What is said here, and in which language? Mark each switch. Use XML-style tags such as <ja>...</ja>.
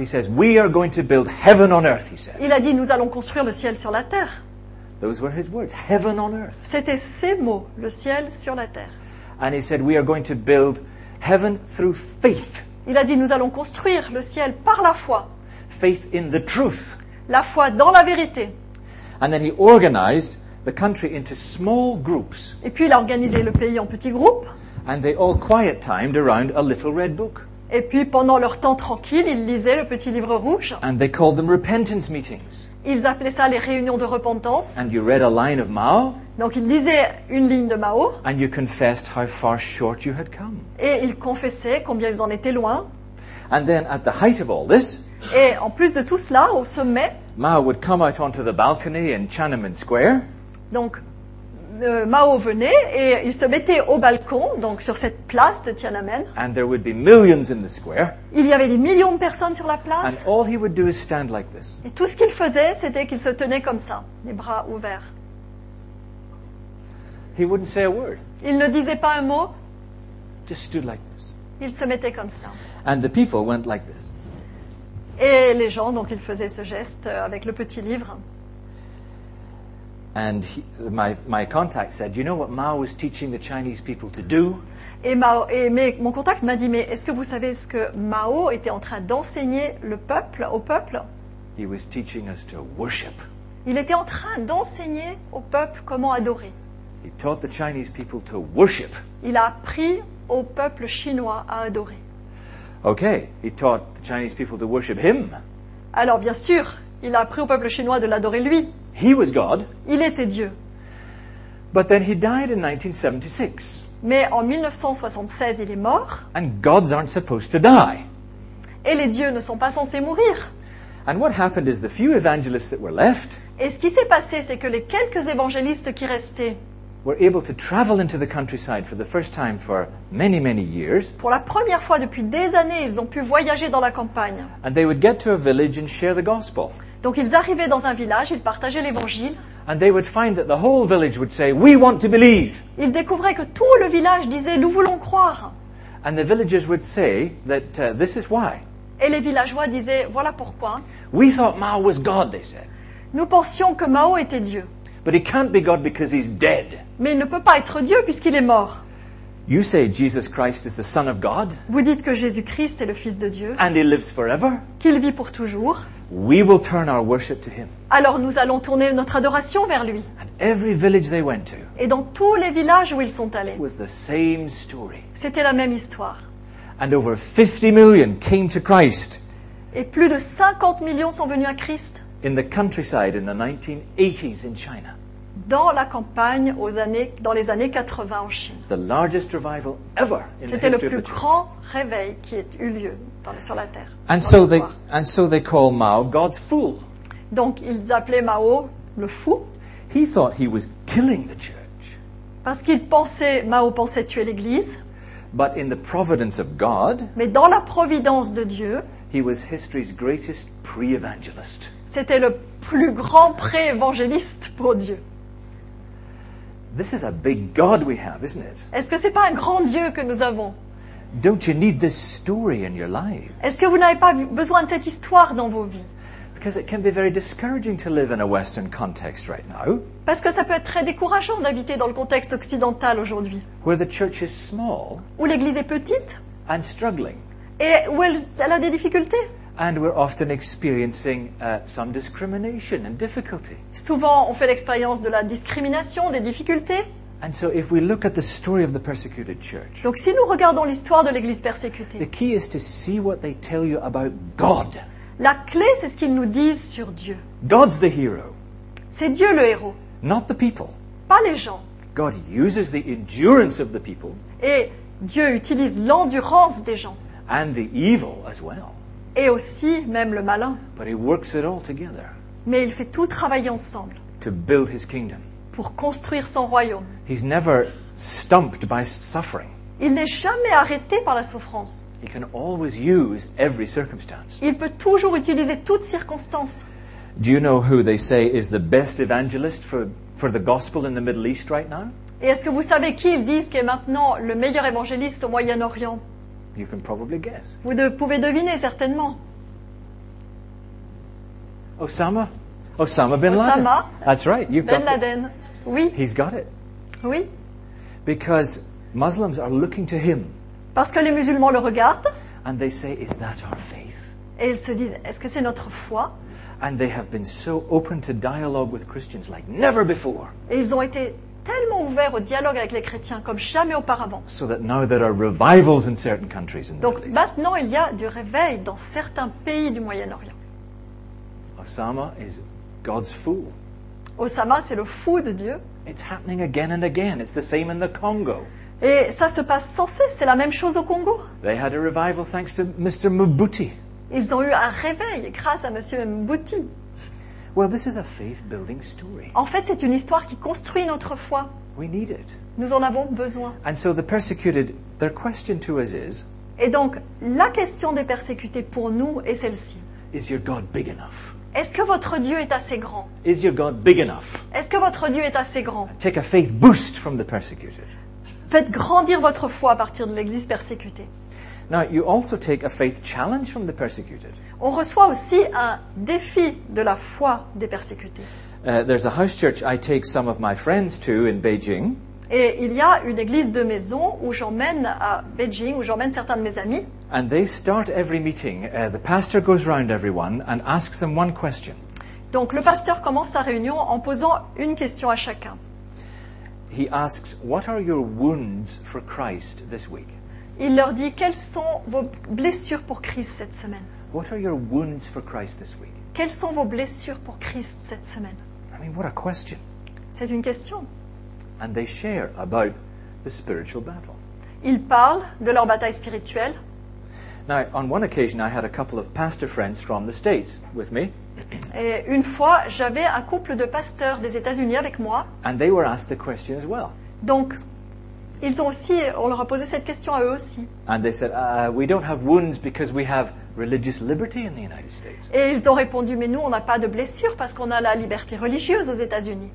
<en>he says, we are going to build heaven on earth, he said.</en> <fr>Il a dit, nous allons construire le ciel sur la terre.</fr> <en>Those were his words, heaven on earth.</en> <fr>C'était ses mots, le ciel sur la terre.</fr> <en>And he said, we are going to build heaven through faith.</en> <fr>Il a dit, nous allons construire le ciel par la foi.</fr> <en>Faith in the truth.</en> <fr>La foi dans la vérité.</fr> <en>And then he organized the country into small groups.</en> <fr>Et puis il a organisé le pays en petits groupes.</fr> <en>And they all quiet timed around a little red book.</en> <fr>Et puis pendant leur temps tranquille, ils lisaient le petit livre rouge.</fr> <en>And they called them repentance meetings.</en> <fr>Ils appelaient ça les réunions de repentance.</fr> <en>And you read a line of Mao.</en> <fr>Donc ils lisaient une ligne de Mao.</fr> <en>And you confessed how far short you had come.</en> <fr>Et ils confessaient combien ils en étaient loin.</fr> <en>And then at the height of all this,</en> <fr>et en plus de tout cela, au sommet,</fr> <en>Mao would come out onto the balcony in Tiananmen Square.</en> <fr>Donc, Mao venait et il se mettait au balcon, donc sur cette place de Tiananmen.</fr> <en>And there would be millions in the square.</en> <fr>Il y avait des millions de personnes sur la place.</fr> <en>And all he would do is stand like this.</en> <fr>Et tout ce qu'il faisait, c'était qu'il se tenait comme ça, les bras ouverts.</fr> <en>He wouldn't say a word.</en> <fr>Il ne disait pas un mot.</fr> <en>Just stood like this.</en> <fr>Il se mettait comme ça.</fr> <en>And the people went like this.</en> <fr>Et les gens, donc, ils faisaient ce geste avec le petit livre.</fr> <en>And my contact said, you know what Mao was teaching the Chinese people to do?</en> <fr>Mon contact m'a dit, mais est-ce que vous savez ce que Mao était en train d'enseigner au peuple?</fr> <en>He was teaching us to worship.</en> <fr>Il était en train d'enseigner au peuple comment adorer.</fr> <en>He taught the Chinese people to worship.</en> <fr>Il a appris au peuple chinois à adorer.</fr> <en>Okay, he taught the Chinese people to worship him.</en> <fr>Alors bien sûr, il a appris au peuple chinois de l'adorer lui.</fr> <en>He was God.</en> <fr>Il était Dieu.</fr> <en>But then he died in 1976.</en> <fr>Mais en 1976, il est mort.</fr> <en>And gods aren't supposed to die.</en> <fr>Et les dieux ne sont pas censés mourir.</fr> <en>And what happened is the few evangelists that were left.</en> <fr>Et ce qui s'est passé, c'est que les quelques évangélistes qui restaient</fr> <en>were able to travel into the countryside for the first time for many, many years.</en> <fr>Pour la première fois depuis des années, ils ont pu voyager dans la campagne.</fr> <en>And they would get to a village and share the gospel.</en> <fr>Donc ils arrivaient dans un village, ils partageaient l'évangile.</fr> <en>And they would find that the whole village would say, we want to believe.</en> <fr>Ils découvraient que tout le village disait, nous voulons croire.</fr> <en>And the villagers would say that this is why.</en> <fr>Et les villageois disaient, voilà pourquoi.</fr> <en>We thought Mao was God, they said.</en> <fr>Nous pensions que Mao était Dieu.</fr> <en>But he can't be God because he's dead.</en> <fr>Mais il ne peut pas être Dieu puisqu'il est mort.</fr> <en>You say Jesus Christ is the Son of God.</en> <fr>Vous dites que Jésus-Christ est le Fils de Dieu.</fr> <en>And he lives forever.</en> <fr>Qu'il vit pour toujours.</fr> <en>We will turn our worship to him.</en> <fr>Alors nous allons tourner notre adoration vers lui.</fr> <en>And every village they went to.</en> <fr>Et dans tous les villages où ils sont allés.</fr> <en>Was the same story.</en> <fr>C'était la même histoire.</fr> <en>And over 50 million came to Christ.</en> <fr>Et plus de 50 millions sont venus à Christ.</fr> <en>In the countryside in the 1980s in China.</en> <fr>Dans la campagne dans les années 80 en Chine.</fr> <en>The largest revival ever in the history.</en> <fr>C'était le plus grand réveil qui ait eu lieu sur la terre.</fr> <en>And so they call Mao God's fool.</en> <fr>Donc ils appelaient Mao le fou.</fr> <en>He thought he was killing the church.</en> <fr>Parce qu'il pensait, Mao pensait tuer l'Église.</fr> <en>But in the providence of God,</en> <fr>mais dans la providence de Dieu,</fr> <en>he was history's greatest pre-evangelist.</en> <fr>C'était le plus grand pré-évangéliste pour Dieu.</fr> <en>This is a big God we have, isn't it?</en> <fr>Est-ce que c'est pas un grand Dieu que nous avons?</fr> <en>Don't you need this story in your life?</en> <fr>Est-ce que vous n'avez pas besoin de cette histoire dans vos vies?</fr> <en>Because it can be very discouraging to live in a Western context right now.</en> <fr>Parce que ça peut être très décourageant d'habiter dans le contexte occidental aujourd'hui.</fr> <en>Where the church is small.</en> <fr>Où l'église est petite.</fr> <en>And struggling.</en> <fr>Et où elle a des difficultés.</fr> <en>And we're often experiencing some discrimination and difficulty.</en> <fr>Souvent, on fait l'expérience de la discrimination, des difficultés.</fr> <en>And so if we look at the story of the persecuted church.</en> <fr>Donc si nous regardons l'histoire de l'église persécutée.</fr> <en>The key is to see what they tell you about God.</en> <fr>La clé, c'est ce qu'ils nous disent sur Dieu.</fr> <en>God's the hero.</en> <fr>C'est Dieu le héros.</fr> <en>Not the people.</en> <fr>Pas les gens.</fr> <en>God uses the endurance of the people.</en> <fr>Et Dieu utilise l'endurance des gens.</fr> <en>And the evil as well.</en> <fr>Et aussi même le malin.</fr> <en>But he works it all together.</en> <fr>Mais il fait tout travailler ensemble.</fr> <en>To build his kingdom.</en> <fr>Pour construire son royaume.</fr> <en>He's never stumped by suffering.</en> <fr>Il n'est jamais arrêté par la souffrance.</fr> <en>He can always use every circumstance.</en> <fr>Il peut toujours utiliser toute circonstance.</fr> <en>Do you know who they say is the best evangelist for the gospel in the Middle East right now?</en> <fr>Et est-ce que vous savez qui ils disent qui est maintenant le meilleur évangéliste au Moyen-Orient?</fr> <en>You can probably guess.</en> <fr>Vous pouvez deviner certainement.</fr> <en>Osama? Osama bin Laden.</en> <fr>Osama.</fr> <en>That's right. You've</en> <fr>bin Laden. Oui.</fr> <en>He's got it.</en> <fr>Oui.</fr> <en>Because Muslims are looking to him.</en> <fr>Parce que les musulmans le regardent.</fr> <en>And they say, is that our faith?</en> <fr>Et ils se disent, est-ce que c'est notre foi?</fr> <en>And they have been so open to dialogue with Christians like never before.</en> <fr>Et ils ont été tellement ouverts au dialogue avec les chrétiens comme jamais auparavant.</fr> <en>So that now there are revivals in certain countries in the Middle East.</en> <fr>Donc maintenant il y a du réveil dans certains pays du Moyen-Orient.</fr> <en>Osama is God's fool.</en> <fr>Osama, c'est le fou de Dieu.</fr> <en>It's happening again and again. It's the same in the Congo.</en> <fr>Et ça se passe sans cesse, c'est la même chose au Congo.</fr> <en>They had a revival thanks to Mr. Mobutu.</en> <fr>Ils ont eu un réveil grâce à Monsieur Mobutu.</fr> <en>Well, this is a faith-building story.</en> <fr>En fait, c'est une histoire qui construit notre foi.</fr> <en>We need it.</en> <fr>Nous en avons besoin.</fr> <en>And so the persecuted, their question to us is.</en> <fr>Et donc, la question des persécutés pour nous est celle-ci.</fr> <en>Is your God big enough?</en> <fr>Est-ce que votre Dieu est assez grand?</fr> <en>Is your God big enough?</en> <fr>Est-ce que votre Dieu est assez grand?</fr> <en>Take a faith boost from the persecuted.</en> <fr>Faites grandir votre foi à partir de l'église persécutée.</fr> <en>Now, you also take a faith challenge from the persecuted.</en> <fr>On reçoit aussi un défi de la foi des persécutés.</fr> <en>There's a house church I take some of my friends to in Beijing.</en> <fr>Et il y a une église de maison où j'emmène à Beijing, où j'emmène certains de mes amis.</fr> <en>And they start every meeting. The pastor goes round everyone and asks them one question.</en> <fr>Donc le pasteur commence sa réunion en posant une question à chacun.</fr> <en>He asks, what are your wounds for Christ this week?</en> <fr>Il leur dit, quelles sont vos blessures pour Christ cette semaine?</fr> <en>What are your wounds for Christ this week?</en> <fr>Quelles sont vos blessures pour Christ cette semaine?</fr> <en>I mean, what a question.</en> <fr>C'est une question.</fr> <en>And they share about the spiritual battle.</en> <fr>Ils parlent de leur bataille spirituelle.</fr> <en>Now, on one occasion, I had a couple of pastor friends from the States with me.</en> <fr>Et une fois, j'avais un couple de pasteurs des États-Unis avec moi.</fr> <en>And they were asked the question as well.</en> <fr>Donc, ils ont aussi, on leur a posé cette question à eux aussi.</fr> <en>And they said, we don't have wounds because we have religious liberty in the United States.</en> <fr>Et ils ont répondu, mais nous, on n'a pas de blessures parce qu'on a la liberté religieuse aux États-Unis.</fr>